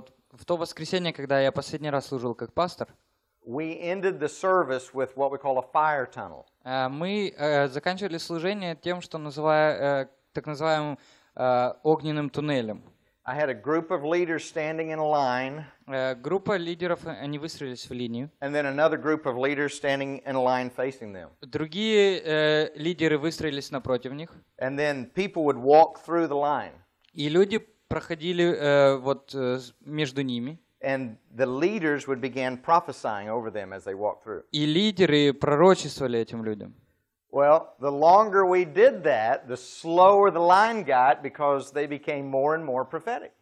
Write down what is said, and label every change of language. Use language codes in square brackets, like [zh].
[ru] в то воскресенье, когда я последний раз служил как пастор, [en] we ended the service with what we call a fire tunnel. [ru] Мы заканчивали служение тем, что так называемым огненным туннелем. [en] I had a group of leaders standing in a line. [ru] Группа лидеров, они выстроились в линию. [en] And then another group of leaders standing in a line facing them. [ru] Другие лидеры выстроились напротив них. [en] And then people would walk through the line. [ru] И люди проходили между ними. [en] And the leaders would begin prophesying over them as they walked through. [ru] И лидеры пророчествовали этим людям. [en] Well, the longer we did that, the slower the line got because they became more and more prophetic.